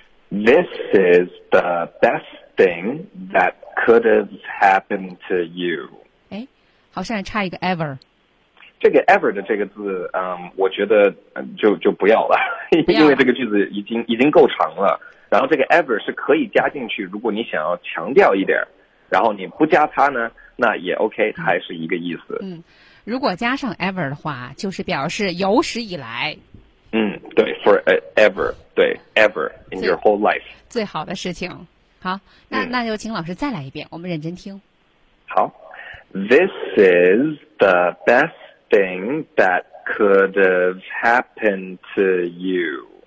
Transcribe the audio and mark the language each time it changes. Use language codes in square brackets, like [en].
[en] This is the best thing that could have happened to you. [zh] 哎，好像还差一个 ever。这个 ever 的这个字，我觉得就不要了，因为这个句子已经够长了。然后这个 ever 是可以加进去，如果你想要强调一点，然后你不加它呢，那也 OK， 它还是一个意思。如果加上 ever 的话，就是表示有史以来。 [en] 对 ，forever， 对 ，ever in your whole life。 [zh] 最好的事情。好，那就请老师再来一遍，我们认真听。 [en] 好 ，This is the best thing that could have happened to you.